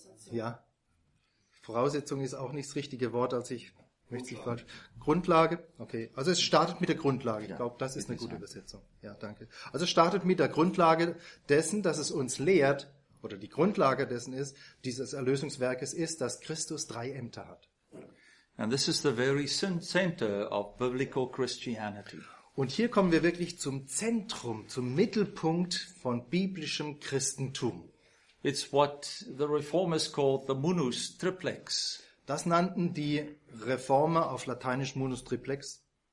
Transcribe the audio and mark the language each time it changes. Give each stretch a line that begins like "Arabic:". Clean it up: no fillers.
German: Ja, Voraussetzung ist auch nicht das richtige Wort, als ich Grundlage. Möchte ich falsch. Grundlage, okay, also es startet mit der Grundlage, ich glaube, das ist eine gute Übersetzung. Ja, danke. Also es startet mit der Grundlage dessen, dass es uns lehrt, oder die Grundlage dessen ist, dieses Erlösungswerkes ist, dass Christus drei Ämter hat.
English: And this is the very center of biblical Christianity.
German: Und hier kommen wir wirklich zum Zentrum, zum Mittelpunkt von biblischem Christentum.
English: It's what the reformers called the munus triplex.
German: Das nannten die Reformer auf Lateinisch munus triplex.